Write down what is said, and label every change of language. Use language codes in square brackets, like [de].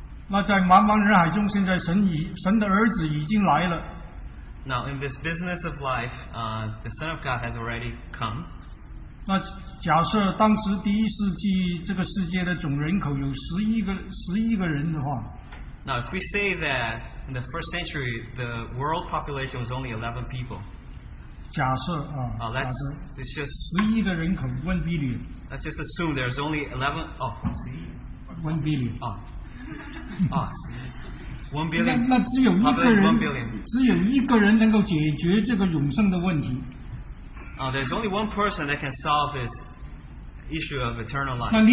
[zh] 那在茫茫人海中，现在神的儿子已经来了。 [en] Now in this business of life, the Son of God has already come. [zh] 那假设当时第一世纪这个世界的总人口有十一个人的话， [en] Now if we say that in the first century the world population was only 11 people, [zh] 假设， [en] it's just 11 [zh] 的人口 [en] 1 billion. Let's just assume there's only 11. Oh, see, 1 billion. Oh, 1 billion. [zh] 那只有一个人能够解决这个永生的问题。 [en] There's only one person that can solve this issue of eternal life.